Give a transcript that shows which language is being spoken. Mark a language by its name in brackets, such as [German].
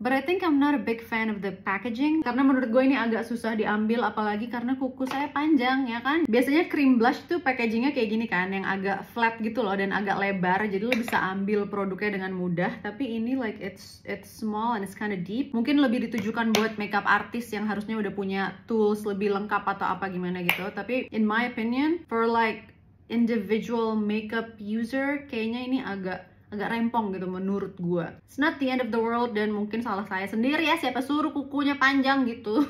[English] But I think I'm not a big fan of the packaging. [Indonesian] Karena menurut gue ini agak susah diambil. Apalagi karena kuku saya panjang, ya kan? Biasanya cream blush tuh packagingnya kayak gini kan. Yang agak flat gitu loh. Dan agak lebar. Jadi lo bisa ambil produknya dengan mudah. Tapi ini [English] like it's small and it's kind of deep. [Indonesian] Mungkin lebih ditujukan buat makeup artist yang harusnya udah punya tools lebih lengkap atau apa gimana gitu. Tapi [English] in my opinion, for like individual makeup user, [Indonesian] kayaknya ini agak rempong gitu menurut gue. [English] It's not the end of the world [Indonesian] dan mungkin salah saya sendiri ya, siapa suruh kukunya panjang gitu.